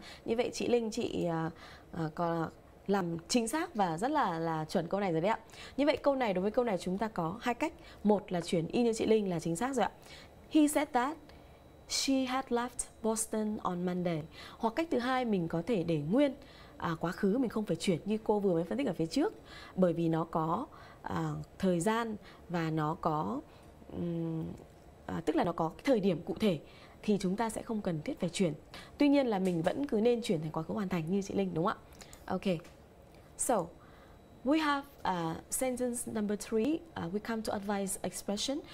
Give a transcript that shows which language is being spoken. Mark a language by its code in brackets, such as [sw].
[vi] Như vậy chị Linh, chị có làm chính xác và rất là chuẩn câu này rồi đấy ạ. Như vậy câu này, đối với câu này chúng ta có hai cách. Một là chuyển y như chị Linh là chính xác rồi ạ. [en] He said that she had left Boston on Monday. [vi] Hoặc cách thứ hai mình có thể để nguyên quá khứ, mình không phải chuyển như cô vừa mới phân tích ở phía trước, bởi vì nó có thời gian và nó có tức là nó có thời điểm cụ thể thì chúng ta sẽ không cần thiết phải chuyển. Tuy nhiên là mình vẫn cứ nên chuyển thành quá khứ hoàn thành như chị Linh, đúng không ạ? Okay, [en] so we have sentence number 3, we come to advice expression.